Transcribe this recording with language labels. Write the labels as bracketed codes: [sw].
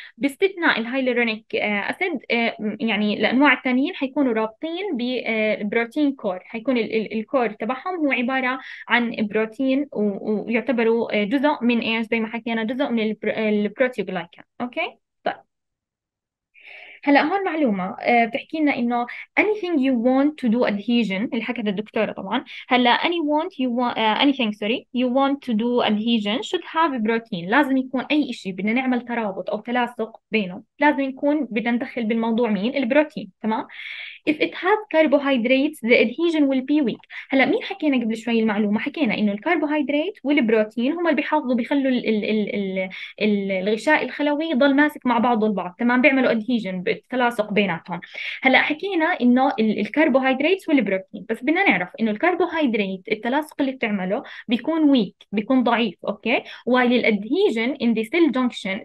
[ar] باستثناء الهايلورونيك اسيد يعني الانواع الثانيين حيكونوا رابطين ببروتين كور، حيكون الكور تبعهم هو عباره عن بروتين ويعتبروا جزء من ايش؟ زي ما حكينا جزء من البروتيوغلايكان، اوكي؟ هلا هون معلومه بتحكي لنا انه [en] anything you want to do adhesion، [ar] اللي حكتها الدكتوره طبعا. هلا [en] any want you want anything sorry you want to do adhesion should have a protein، [ar] لازم يكون اي شيء بدنا نعمل ترابط او تلاصق بينه لازم يكون بدنا ندخل بالموضوع مين؟ البروتين، تمام؟ [en] if it has carbohydrates the adhesion will be weak. [ar] هلا مين حكينا قبل شوي المعلومة؟ حكينا انه الكربوهيدرات والبروتين هما اللي بيحافظوا بيخلوا الغشاء الخلوي يضل ماسك مع بعضه البعض، تمام، بيعملوا adhesion بالتلاصق بيناتهم. هلا حكينا انه الكربوهيدرات والبروتين، بس بدنا نعرف انه الكربوهيدرات التلاصق اللي بتعمله بيكون weak، بيكون ضعيف، اوكي، وللادهيجن [en] in the cell junction.